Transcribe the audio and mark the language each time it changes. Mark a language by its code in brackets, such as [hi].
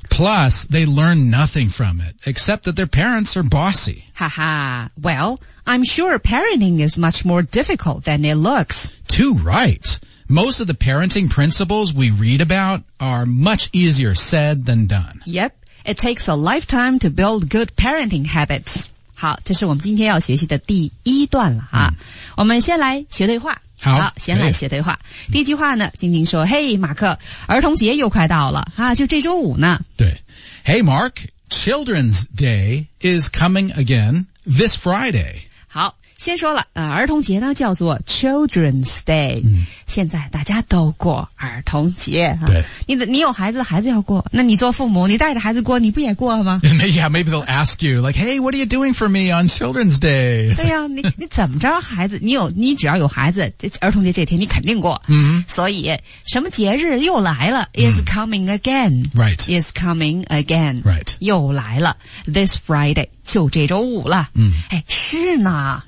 [en] Plus, they learn nothing from it, except that their parents are bossy. Haha. Well, I'm sure parenting is much more difficult than it looks. Too right. Most of the parenting principles we read about are much easier said than done. Yep. It takes a lifetime to build good parenting habits. [zh] 好，这是我们今天要学习的第一段了啊。嗯、我们先来学对话。好，先来学对话。第一句话呢，晶晶说：“嘿，马克，儿童节又快到了啊，就这周五呢。” [en] 对 ，Hey Mark, Children's Day is coming again this Friday. [zh] 好。先说了儿童节呢叫做 Children's Day、嗯、现在大家都过儿童节对、啊、你有孩子孩子要过那你做父母你带着孩子过你不也过吗 [en] Yeah, maybe they'll ask you like, hey, what are you doing for me on Children's Day? [zh] 对呀、啊、你怎么着孩子你只要有孩子儿童节这天你肯定过、嗯、所以什么节日又来了、嗯、 [en] is coming again, right, is coming again, right, [zh] 又来了 [en] this Friday, [zh] 就这周五了、嗯、是呢